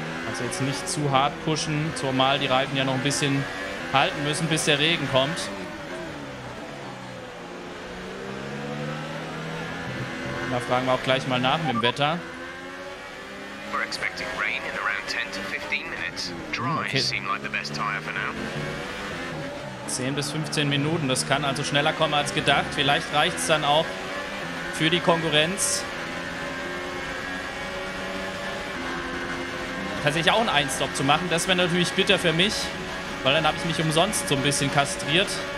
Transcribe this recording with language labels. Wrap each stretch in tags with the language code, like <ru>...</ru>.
<de>Also jetzt nicht zu hart pushen, zumal die Reifen ja noch ein bisschen halten müssen, bis der Regen kommt. Und da fragen wir auch gleich mal nach mit dem Wetter.</de> <en>We're expecting rain in around 10 to 15 minutes. Dry seem like the best tire for now.</en> <de>10 bis 15 Minuten. Das kann also schneller kommen als gedacht. Vielleicht reicht es dann auch für die Konkurrenz. Tatsächlich auch einen Einstopp zu machen, das wäre natürlich bitter für mich, weil dann habe ich mich umsonst so ein bisschen kastriert.</de>